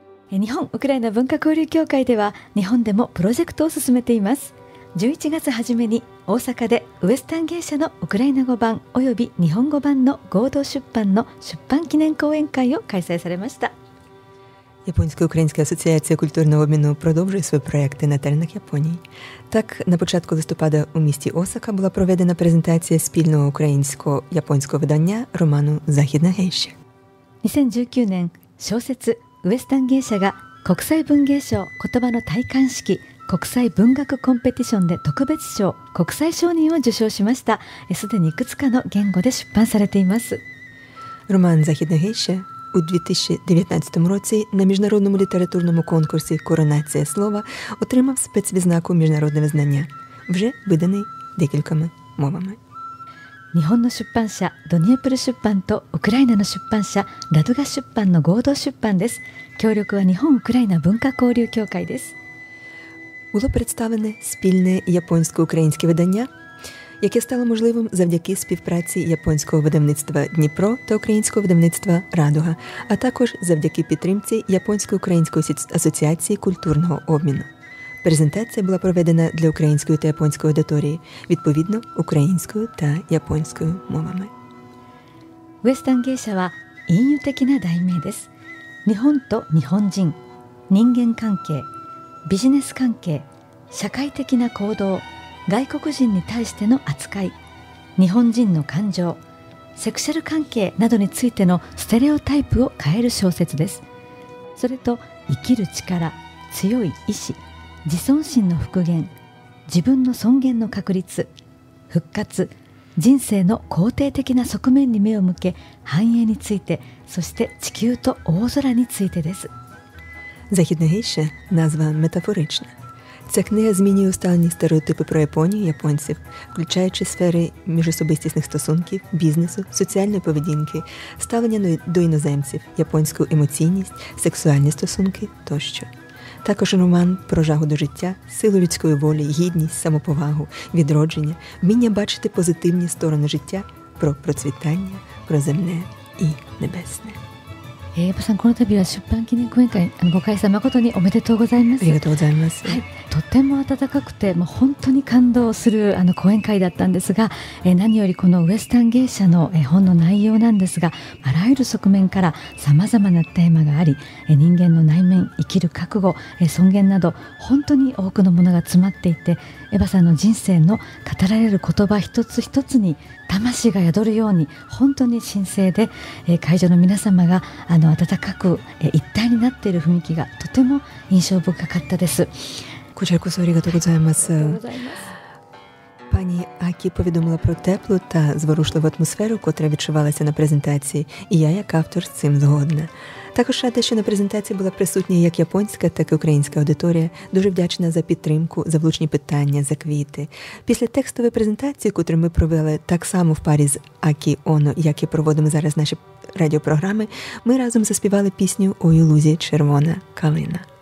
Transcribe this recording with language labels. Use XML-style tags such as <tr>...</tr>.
<ja>日本ウクライナ文化交流協会では日本でもプロジェクトを進めています。 11月初めに大阪でウエスタン芸者のウクライナ語版および日本語版の合同出版の出版記念講演会を開催されました。</ja> <uk>Японсько-Українська асоціація культурного обміну продовжує свої проєкти на теренах Японії. Так, на початку листопада у місті Осака була проведена презентація спільного українсько-японського видання роману «Західна гейша».</uk> <ja>2019年、小説ウエスタン芸者が国際文芸賞言葉の戴冠式国際文学コンペティションで特別賞国際賞人を受賞しました。すでにいくつかの言語で出版されています。</ja> <uk>ロマン・ザヒダ・ヘイシャ у 2019 році на міжнародному літературному конкурсі «Коронація слова» отримав спецвізнаку міжнародного знання, вже виданий декількома мовами.</uk> <ja>日本の出版社ドニエプル出版とウクライナの出版社ラドガ出版の合同出版です。協力は日本ウクライナ文化交流協会です。</ja> <uk>було представлене спільне японсько-українське видання, яке стало можливим завдяки співпраці японського видавництва Дніпро та українського видавництва Радуга, а також завдяки підтримці японсько-української асоціації культурного обміну. Презентація була проведена для української та японської аудиторії, відповідно, українською та японською мовами.</uk> <ja>ウエスタン芸者は隠喩的な題名です。日本と日本人、人間関係、ビジネス関係、社会的な行動、外国人に対しての扱い、日本人の感情、セクシャル関係などについてのステレオタイプを変える小説です。それと、生きる力、強い意志、自尊心の復元、自分の尊厳の確立、復活、人生の肯定的な側面に目を向け、繁栄について、そして地球と大空についてです。</ja> <uk>Західна гейша назва метафорична. Ця книга змінює усталені стереотипи про Японію і японців, включаючи сфери міжособистісних стосунків, бізнесу, соціальної поведінки, ставлення до іноземців, японську емоційність, сексуальні стосунки тощо. Також роман про жагу до життя, силу людської волі, гідність, самоповагу, відродження, вміння бачити позитивні сторони життя, про процвітання, про земне і небесне.</uk> <ja>Епо сан, この度は出版記念講演会ご開催誠におめでとうございます。ありがとうございます。はい、とても温かくて、もう本当に感動する講演会だったんですが、何よりこのウエスタン芸者の本の内容なんですが、あらゆる側面からさまざまなテーマがあり、人間の内面、生きる覚悟、尊厳など本当に多くのものが詰まっていて、エヴァさんの人生の語られる言葉一つ一つに魂が宿るように本当に神聖で、会場の皆様が温かく一体になっている雰囲気がとても印象深かったです。こちらこそありがとうございます。</ja> <uk>Пані Акі повідомила про теплу та зворушливу атмосферу, котра відчувалася на презентації, і я як автор з цим згодна. Також рада, що на презентації була присутня як японська, так і українська аудиторія. Дуже вдячна за підтримку, за влучні питання, за квіти. Після текстової презентації, котру ми провели так само в парі з Акі Оно, як і проводимо зараз наші радіопрограми, ми разом заспівали пісню «Ой, Лузі, червона калина».</uk>